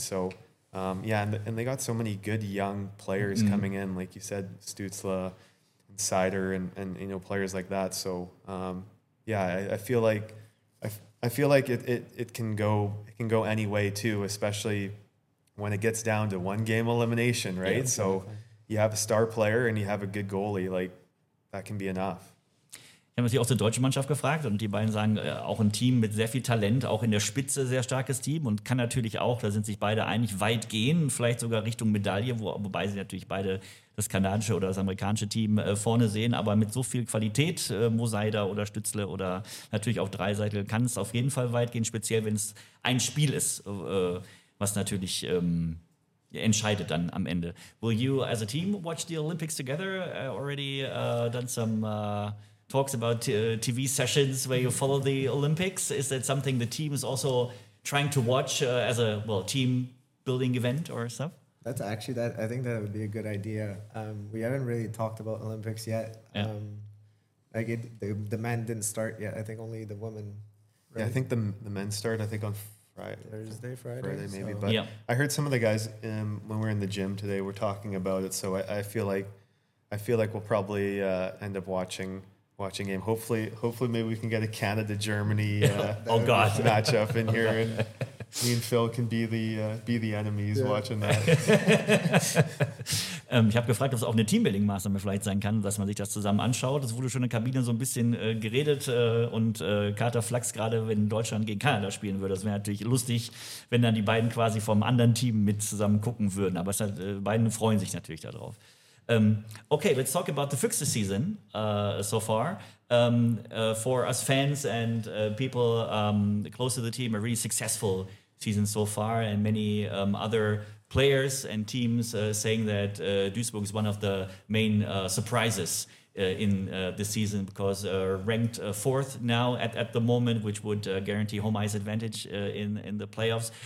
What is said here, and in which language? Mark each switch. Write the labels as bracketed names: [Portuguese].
[English] So and they got so many good young players coming in, like you said, Stützle, Cider, and you know, players like that. So I feel like it can go any way too, especially when it gets down to one game elimination, right? Yeah, so you have a star player and you have a good goalie, like that can be enough. [German] Ich habe natürlich auch zur deutschen Mannschaft gefragt und die beiden sagen, auch ein Team mit sehr viel Talent, auch in der Spitze sehr starkes Team und kann natürlich auch, da sind sich beide einig, weit gehen, vielleicht sogar Richtung Medaille, wobei sie natürlich beide das kanadische oder das amerikanische Team vorne sehen, aber mit so viel Qualität, Mo Seider oder Stützle oder natürlich auch Dreiseitel, kann es auf jeden Fall weit gehen, speziell wenn es ein Spiel ist, was natürlich entscheidet dann am Ende. [English] Will you as a team watch the Olympics together? Already done some... talks about TV sessions where you follow the Olympics. Is that something the team is also trying to watch as a, well, team building event or stuff? That's actually that. I think that would be a good idea. We haven't really talked about Olympics yet. Yeah. The men didn't start yet. I think only the women. Right? Yeah, I think the men start, I think, on Friday. Thursday, Friday maybe. So. But yeah. I heard some of the guys when we were in the gym today were talking about it. So I feel like we'll probably end up watching game. Hopefully maybe we can get a Canada Germany matchup in here, and me and Phil can be the enemies watching that. [German] Ich habe gefragt, ob es auch eine Teambuilding-Maßnahme vielleicht sein kann, dass man sich das zusammen anschaut. Es wurde schon in der Kabine so ein bisschen geredet und Carter Flachs, gerade wenn Deutschland gegen Kanada spielen würde, das wäre natürlich lustig, wenn dann die beiden quasi vom anderen Team mit zusammen gucken würden. Aber beide freuen sich natürlich darauf. [English] Okay, let's talk about the Füchse season so far. For us fans and people close to the team, a really successful season so far, and many other players and teams saying that Duisburg is one of the main surprises in this season, because ranked fourth now at the moment, which would guarantee home ice advantage in the playoffs.